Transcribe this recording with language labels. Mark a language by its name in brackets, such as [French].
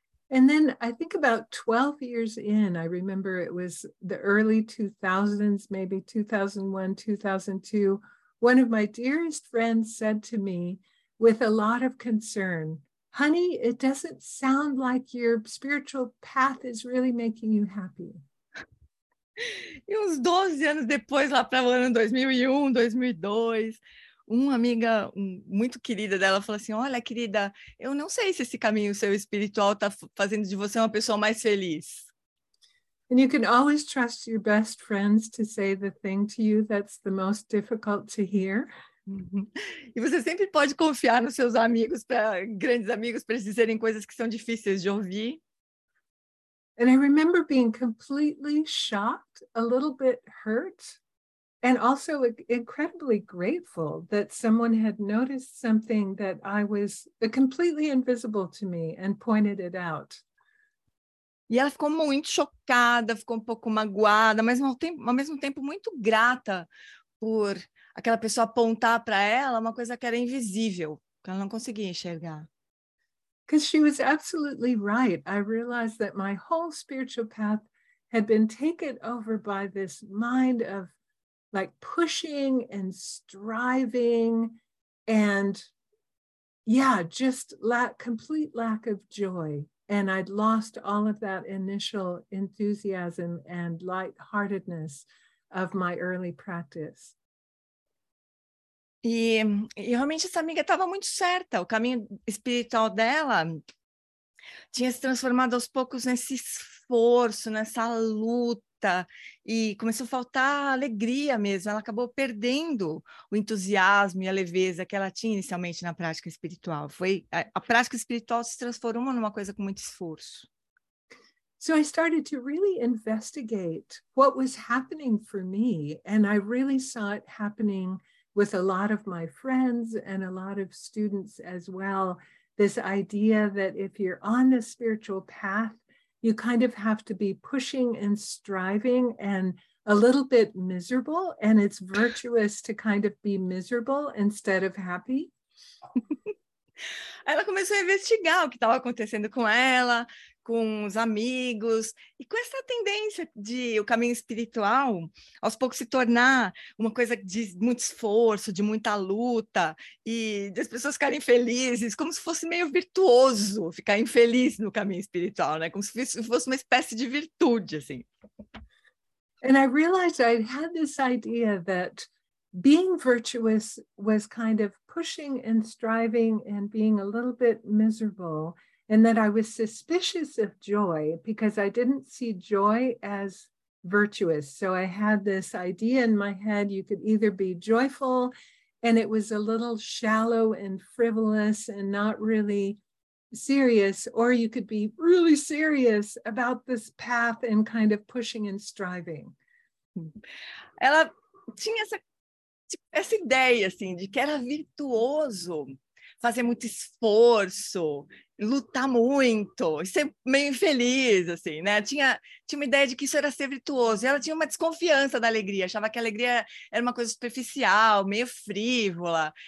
[English] And then I think about 12 years in, I remember it was the early 2000s, maybe 2001, 2002, one of my dearest friends said to me with a lot of concern, "Honey, it doesn't sound like your spiritual path is really making you happy." [Portuguese] E uns 12 anos depois, lá para o ano 2001, 2002, uma amiga muito querida dela falou assim: "Olha, querida, eu não sei se esse caminho seu espiritual está fazendo de você uma pessoa mais feliz." [English] And you can always trust your best friends to say the thing to you that's the most difficult to hear. [Portuguese] E você sempre pode confiar nos seus amigos, grandes amigos, para eles dizerem coisas que são difíceis de ouvir. [English] And I remember being completely shocked, a little bit hurt. And also incredibly grateful that someone had noticed something that I was completely invisible to me and pointed it out. [Portuguese] E ela ficou muito chocada, ficou um pouco magoada, mas ao mesmo tempo muito grata por aquela pessoa apontar para ela uma coisa que era invisível, que ela não conseguia enxergar. [English] Because she was absolutely right. I realized that my whole spiritual path had been taken over by this mind of like pushing and striving and just complete lack of joy. And I'd lost all of that initial enthusiasm and lightheartedness of my early practice. [Portuguese] E realmente essa amiga estava muito certa. O caminho espiritual dela tinha se transformado aos poucos nesse esforço, nessa luta. E começou a faltar alegria mesmo, ela acabou perdendo o entusiasmo e a leveza que ela tinha inicialmente na prática espiritual. Foi a prática espiritual se transformou numa coisa com muito esforço. [English] So I started to really investigate what was happening for me, and I really saw it happening with a lot of my friends and a lot of students as well. This idea that if you're on the spiritual path, you kind of have to be pushing and striving and a little bit miserable, and it's virtuous to kind of be miserable instead of happy. [Portuguese] Ela começou a investigar o que estava acontecendo com ela, com os amigos, e com essa tendência de o caminho espiritual aos poucos se tornar uma coisa de muito esforço, de muita luta, e das pessoas ficarem felizes, como se fosse meio virtuoso ficar infeliz no caminho espiritual, né? Como se fosse uma espécie de virtude, assim. [English] And I realized I had this idea that being virtuous was kind of pushing and striving and being a little bit miserable, and that I was suspicious of joy because I didn't see joy as virtuous. So I had this idea in my head, you could either be joyful and it was a little shallow and frivolous and not really serious, or you could be really serious about this path and kind of pushing and striving. [Portuguese] Ela tinha essa ideia, assim, de que era virtuoso fazer muito esforço, lutar muito, ser meio infeliz, assim, né? Tinha uma ideia de que isso era ser virtuoso. E ela tinha uma desconfiança da alegria, achava que a alegria era uma coisa superficial, meio frívola.